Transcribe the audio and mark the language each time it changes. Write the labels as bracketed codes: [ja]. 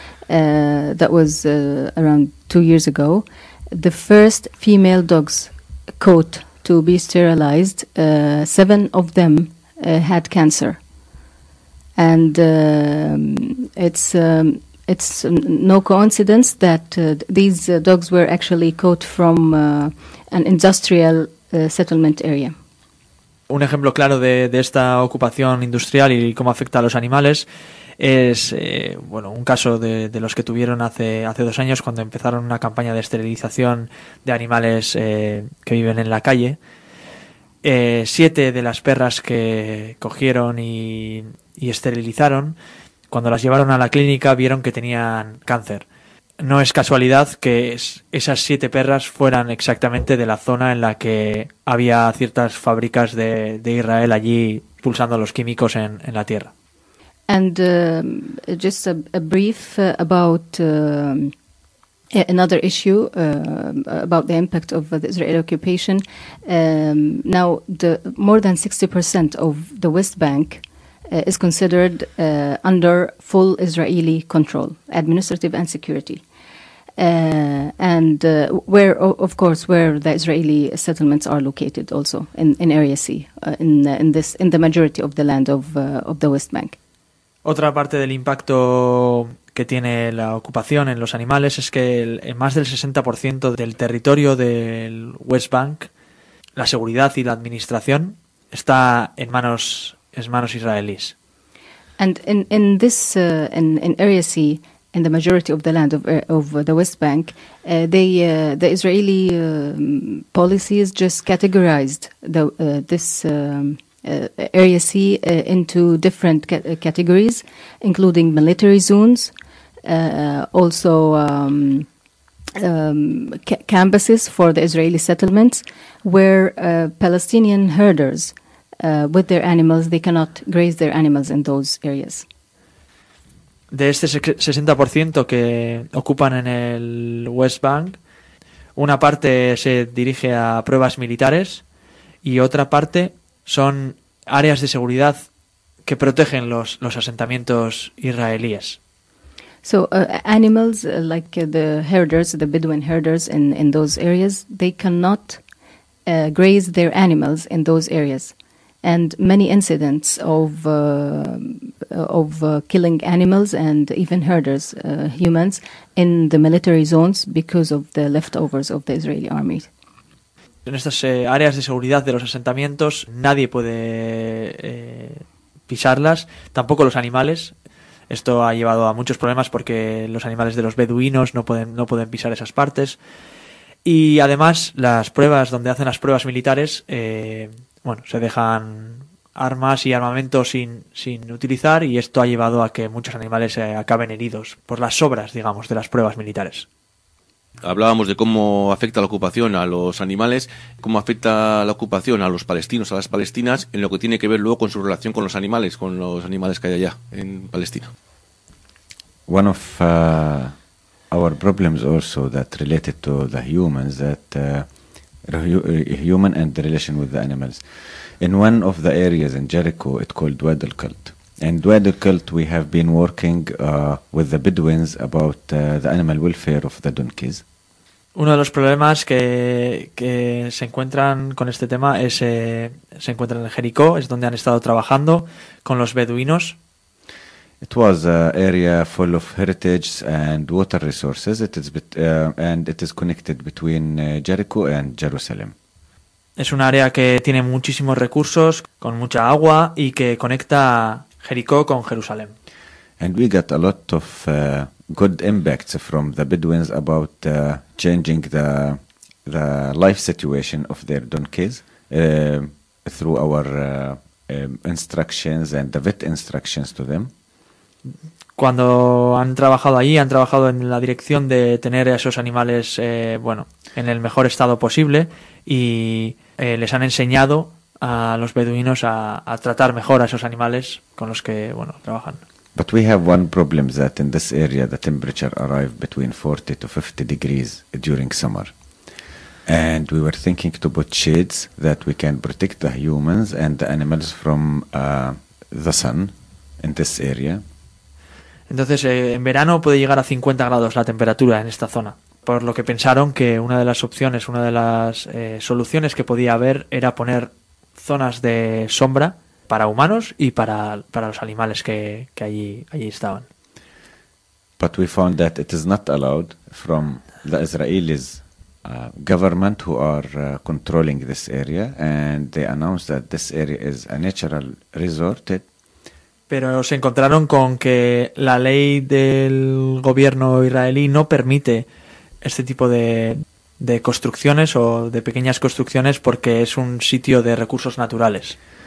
[en] That was around 2 years ago. The first female dogs caught to be sterilized, seven of them had cancer. And it's no coincidence that these dogs were actually caught from an industrial settlement area. [es] Un ejemplo claro de esta ocupación industrial y cómo afecta a los animales es un caso de los que tuvieron hace dos años cuando empezaron una campaña de esterilización de animales que viven en la calle. Siete de las perras que cogieron y esterilizaron, cuando las llevaron a la clínica vieron que tenían cáncer. No es casualidad que esas siete perras fueran exactamente de la zona en la que había ciertas fábricas de Israel allí pulsando los químicos en la tierra. [en] And just a brief about another issue about the impact of the Israeli occupation. Now, the more than 60% of the West Bank is considered under full Israeli control, administrative and security, where the Israeli settlements are located, also in Area C, in the majority of the land of the West Bank. [es] Otra parte del impacto que tiene la ocupación en los animales es que más del 60% del territorio del West Bank, la seguridad y la administración, está en manos es manos israelíes. [en] And in this in Area C, in the majority of the land of the West Bank, the Israeli policy is just categorized the this Area C into different categories, including military zones, also campuses for the Israeli settlements, where Palestinian herders with their animals, they cannot graze their animals in those areas. [es] De este 60% que ocupan en el West Bank, una parte se dirige a pruebas militares y otra parte son áreas de seguridad que protegen los asentamientos israelíes. [en] So animals like the herders, the Bedouin herders in those areas, they cannot graze their animals in those areas. And many incidents of killing animals and even herders, humans, in the military zones because of the leftovers of the Israeli army. [es] En estas áreas de seguridad de los asentamientos, nadie puede pisarlas, tampoco los animales. Esto ha llevado a muchos problemas porque los animales de los beduinos no pueden pisar esas partes. Y además, las pruebas donde hacen las pruebas militares, bueno, se dejan armas y armamento sin utilizar, y esto ha llevado a que muchos animales acaben heridos por las sobras, digamos, de las pruebas militares. Hablábamos de cómo afecta la ocupación a los animales, cómo afecta la ocupación a los palestinos, a las palestinas, en lo que tiene que ver luego con su relación con los animales que hay allá en Palestina. [en] One of our problems also that related to the humans, that human and the relation with the animals. In one of the areas in Jericho, it's called Wad al-Kalt. In Wad al-Kalt, we have been working with the Bedouins about the animal welfare of the donkeys. [es] Uno de los problemas que se encuentran con este tema es se encuentran en Jericó, es donde han estado trabajando con los beduinos. [en] It was an area full of heritage and water resources. It is connected between Jericho and Jerusalem. [es] Es un área que tiene muchísimos recursos, con mucha agua, y que conecta Jericó con Jerusalén. [en] And we got a lot of good impacts from the Bedouins about changing the life situation of their donkeys through our instructions and the vet instructions to them. [es] Cuando han trabajado allí, han trabajado en la dirección de tener a esos animales, bueno, en el mejor estado posible, y les han enseñado a los beduinos a tratar mejor a esos animales con los que, bueno, trabajan. [en] But we have one problem, that in this area the temperature arrived between 40 to 50 degrees during summer. And we were thinking to put shades that we can protect the humans and the animals from the sun in this area. [es] Entonces, en verano puede llegar a 50 grados la temperatura en esta zona, por lo que pensaron que una de las opciones, una de las soluciones que podía haber era poner zonas de sombra para humanos y para los animales que allí estaban. [en] But we found that it is not allowed from the Israelis government who are controlling this area, and they announced that this area is a natural resort. [es] Pero se encontraron con que la ley del gobierno israelí no permite este tipo de construcciones o de pequeñas construcciones porque es un sitio de recursos naturales.